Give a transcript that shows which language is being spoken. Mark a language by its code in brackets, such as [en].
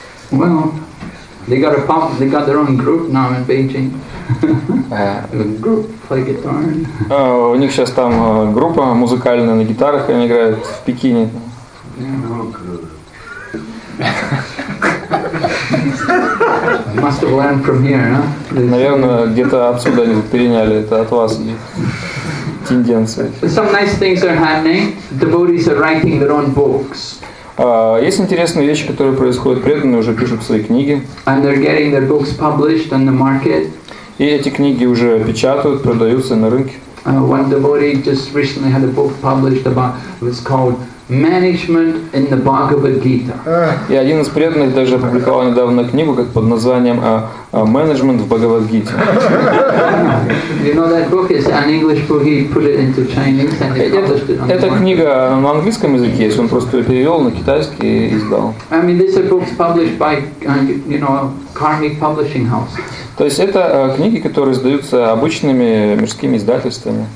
[en] Well, they got a pump, they got their own group now in Beijing. Group play guitar. [ru] У них сейчас там группа музыкальная на гитарах, они играют в Пекине. [en] Must have learned from here, no? [ru] Наверное, где-то отсюда они переняли это от вас тенденции. [en] Some nice things are happening. Devotees are writing their own books. [ru] Есть интересные вещи, которые происходят. Преданные уже пишут свои книги. [en] And they're getting their books published on the market. [ru] И эти книги уже печатают, продаются на рынке. [en] One devotee just recently had a book published about. It was called Management in the Bhagavad Gita. [ru] И один из преданных даже опубликовал недавно книгу как под названием Management в Bhagavad Gita. [en] You know that book is an English book. He put it into Chinese and he published it on. [ru] Эта книга на английском языке есть. Он просто ее перевел на китайский и издал. [en] I mean, these are books published by, you know, karmic publishing houses. [ru] То есть это книги, которые издаются обычными мирскими издательствами.